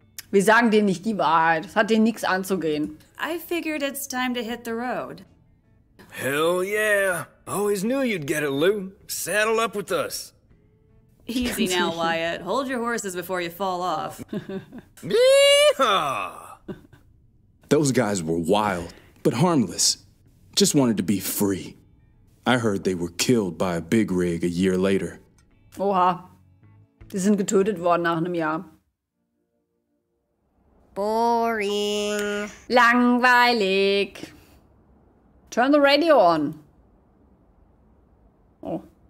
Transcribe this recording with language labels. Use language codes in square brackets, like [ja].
[de] Wir sagen denen nicht die Wahrheit. Es hat denen nichts anzugehen. [en] I figured it's time to hit the road. Hell yeah. Always knew you'd get it, Lou. Saddle up with us. Easy now, Wyatt. Hold your horses before you fall off. Yeehaw! Those guys were wild, but harmless. Just wanted to be free. I heard they were killed by a big rig a year later. [de] Oha. Die sind getötet worden nach einem Jahr. [en] Boring. [de] Langweilig. [en] Turn the radio on. Oh.